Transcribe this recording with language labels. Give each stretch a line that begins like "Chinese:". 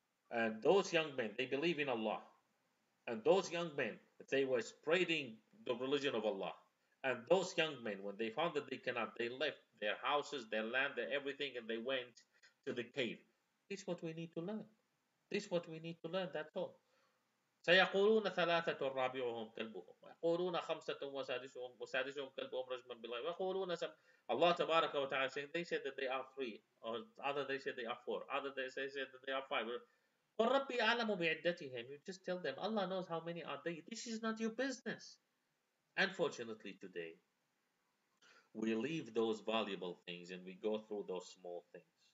English: And those young men, they believe in Allah. And those young men, they were spreading the religion of Allah. And those young men, when they found that they cannot, they left their houses, their land, their everything, and they went to the cave. This is what we need to learn. This is what we need to learn, that's all.
Arabic: سيقولون ثلاثة رابعهم كلبهم ويقولون خمسة وسادسهم كلبهم رجما بالله ويقولون سبعة.
English: Allah تبارك وتعالى saying they said that they are three, or other they said they are four, other they said that they are five.
Arabic: قل ربي أعلم بعدتهم.
English: You just tell them, Allah knows how many are they. This is not your business. Unfortunately today, we leave those valuable things and we go through those small things.